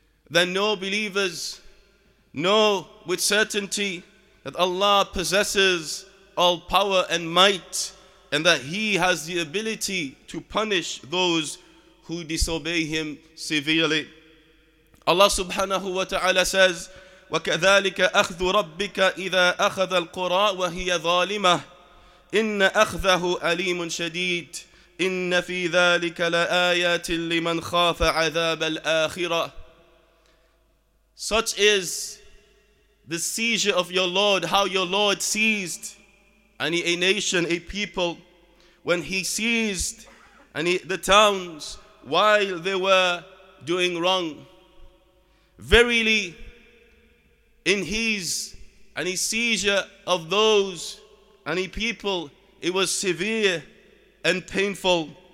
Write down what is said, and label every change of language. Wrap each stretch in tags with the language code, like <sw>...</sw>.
<en>Then know, believers, know with certainty that Allah possesses all power and might, and that He has the ability to punish those who disobey Him severely.</en> <ar>Allah subhanahu wa ta'ala says, وَكَذَلِكَ أَخْذُ رَبِّكَ إِذَا أَخَذَ الْقُرَىٰ وَهِيَ ظَالِمَةٌ إِنَّ أَخْذَهُ أَلِيمٌ شَدِيدٌ إِنَّ فِي ذَلِكَ لَآيَاتٍ لِمَنْ خَافَ عَذَابَ الْآخِرَةِ.</ar> <en>Such is the seizure of your Lord, how your Lord seized a nation, a people, when He seized the towns while they were doing wrong. Verily, in His seizure of those people, it was severe and painful.</en>